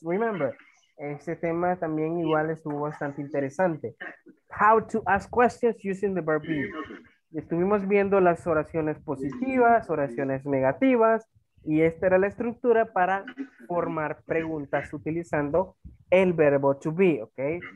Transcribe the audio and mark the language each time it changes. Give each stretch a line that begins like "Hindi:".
Spanish: Remember, este tema también igual estuvo bastante interesante.
English: How to ask questions using the verb be.
Spanish: Estuvimos viendo las oraciones positivas, oraciones negativas, y esta era la estructura para formar preguntas utilizando el verbo to be, ¿ok?